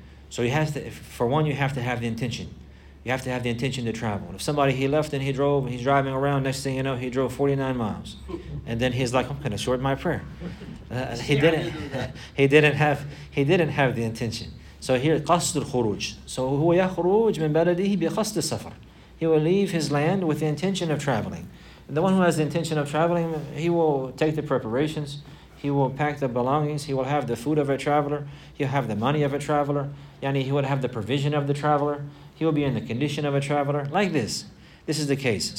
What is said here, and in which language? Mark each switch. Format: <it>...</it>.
<en>So you have to have the intention. You have to have the intention to travel. If somebody, he left and he drove, he's driving around, next thing you know, he drove 49 miles. And then he's like, I'm going to shorten my prayer. He didn't have the intention. So here,</en> <ar>قصد الخروج. So هو يخروج من بلده بقصد السفر.</ar> <en>He will leave his land with the intention of traveling. And the one who has the intention of traveling, he will take the preparations. He will pack the belongings. He will have the food of a traveler. He'll have the money of a traveler. Yani he will have the provision of the traveler. He will be in the condition of a traveler. Like this. This is the case.</en>